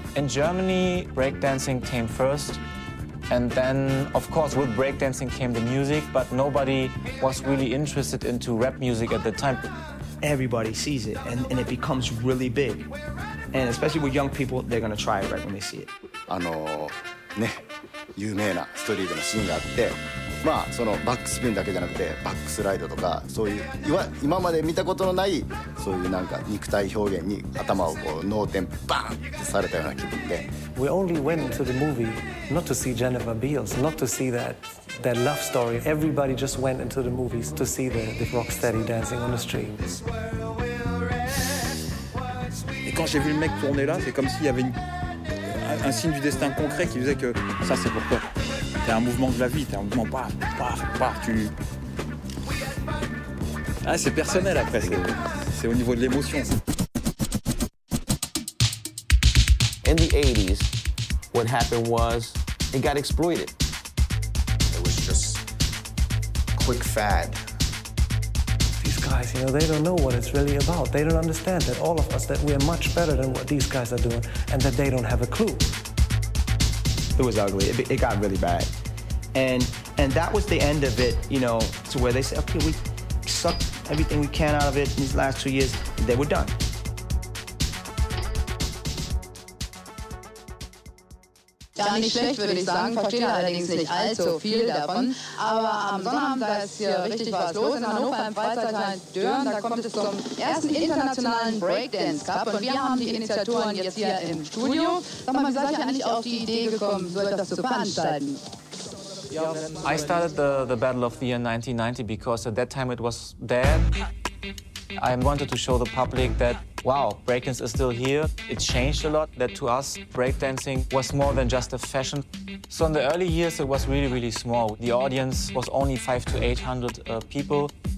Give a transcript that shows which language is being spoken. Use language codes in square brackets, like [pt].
[en] In Germany, breakdancing came first, and then, of course, with breakdancing came the music, but nobody was really interested into rap music at the time. Everybody sees it, and it becomes really big. And especially with young people, they're gonna try it right when they see it. [ja] ね、有名なストリートのシーンがあって、まあ、そのバックスピンだけじゃなくてバックスライドとかそういう今まで見たことのないそういうなんか肉体表現に頭をこう脳天バーンってされたような気分で [en] We only went to the movie not to see Jennifer Beals, not to see that love story. Everybody just went into the movies to see the rocksteady dancing on the street. [fr] Et quand j'ai vu le mec tourner là, c'est comme s'il y avait une... un signe du destin concret qui faisait que ça c'est pour toi. T'es un mouvement de la vie, t'es un mouvement paf, paf, paf, tu... Ah, c'est personnel après, c'est au niveau de l'émotion. [en] In the 80s, what happened was, it got exploited. It was just quick fad. These guys, you know, they don't know what it's really about. They don't understand that all of us, that we're much better than what these guys are doing, and that they don't have a clue. It was ugly. It got really bad. And that was the end of it, you know, to where they said, okay, we sucked everything we can out of it in these last 2 years. They were done. Yeah. [de] gar nicht schlecht, würde ich sagen. Verstehe allerdings nicht allzu viel davon. Aber am Sonnabend, da ist hier richtig was los in Hannover, im Freizeitteil Dörn, da kommt es zum ersten internationalen Breakdance Cup. Und wir haben die Initiatoren jetzt hier im Studio. Sag mal, wie seid ihr eigentlich auf die Idee gekommen, so etwas zu veranstalten? [en] I started the battle of the year 1990 because at that time it was dead. I wanted to show the public that, wow, breakdance is still here. It changed a lot, that to us, breakdancing was more than just a fashion. So in the early years, it was really, really small. The audience was only 500 to 800 people.